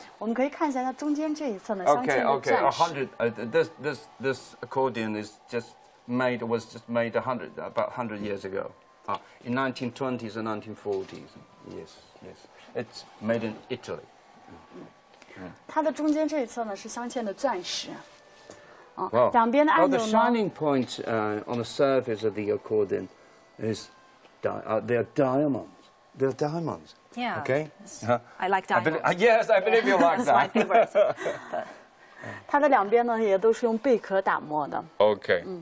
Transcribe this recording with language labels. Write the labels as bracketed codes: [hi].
[zh] 咱这架手风琴截至目前是有100年历史的，我们可以看一下它中间这一侧呢镶嵌的钻石。 [en] Okay, okay, 100. This accordion was just made 100 about 100 years ago, in 1920s and 1940s. Yes, yes, it's made in Italy. [zh] 它的中间这一侧呢是镶嵌的钻石，啊，两边的按钮呢？ [en] The shining point on the surface of the accordion is they're diamonds. They're diamonds. Yeah. Okay. I like diamonds. I believe you like that. My favorite. [zh] 它的两边呢也都是用贝壳打磨的。Okay.